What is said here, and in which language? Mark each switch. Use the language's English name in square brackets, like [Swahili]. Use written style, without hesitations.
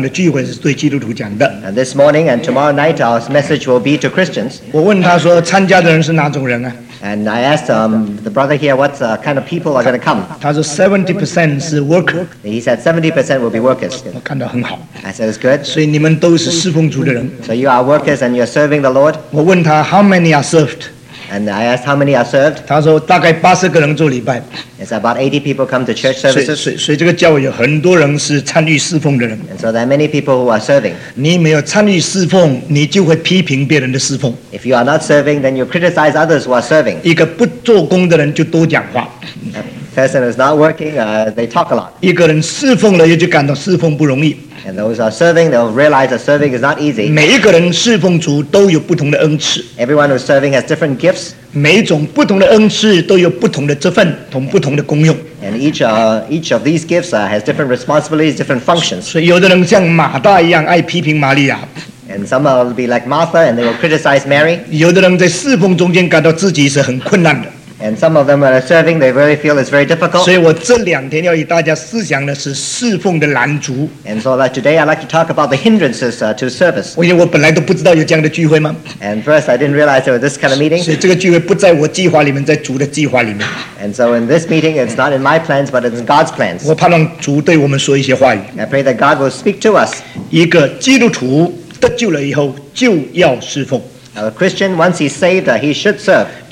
[Chinese] 我们今天同明天晚上的聚会是对基督徒讲的。 [English] And this morning and tomorrow night our message will be to Christians. [Chinese] 我问他说参加的人是哪种人啊? [English] And I asked the brother here what kind of people are going to come. [Chinese] 他说 70% 是 worker. [English] He said 70% will be workers. [Chinese] 我看到很好。 [English] I said it's good. [Chinese] 所以你们都是侍奉主的人。 [English] So you are workers and you are serving the Lord. [Chinese] 我问他 [English] how many are served? And I asked how many are served. [Chinese] 他说大概80个人做礼拜。 [English] It's about 80 people come to church services. [Chinese] 所以这个教会有很多人是参与侍奉的人。 [English] And so there are many people who are serving. [Chinese] 你没有参与侍奉, 你就会批评别人的侍奉。 [English] If you are not serving, then you criticize others who are serving. [Chinese] 一个不做工的人就多讲话。 [English] A person who is not working, they talk a lot. [Chinese] 一个人侍奉了也就感到侍奉不容易。 [English] And those who are serving, they'll realize that serving is not easy. [Chinese] 每一个人侍奉主都有不同的恩赐。 [English] Everyone who's serving has different gifts. [Chinese] 每一种不同的恩赐都有不同的责任同不同的功用。 [English] And each of these gifts has different responsibilities, different functions. [Chinese] 所以有的人像马大一样爱批评玛利亚。 [English] And some will be like Martha and they will criticize Mary. [Chinese] 有的人在侍奉中间感到自己是很困难的。 [English] And some of them are serving, they really feel it's very difficult. [Chinese] 所以我这两天要与大家思想的是侍奉的拦阻。 [English] And so that today I'd like to talk about the hindrances to service. [Chinese] 因为我本来都不知道有这样的聚会吗? [English] And first I didn't realize there was this kind of meeting. [Chinese] 所以这个聚会不在我计划里面,在主的计划里面。 [English] And so in this meeting, it's not in my plans, but it's in God's plans. [Chinese] 我盼望主对我们说一些话语。 [English] I pray that God will speak to us. [Chinese] 一个基督徒得救了以后就要侍奉。 [English] A Christian, once he's saved, he should serve.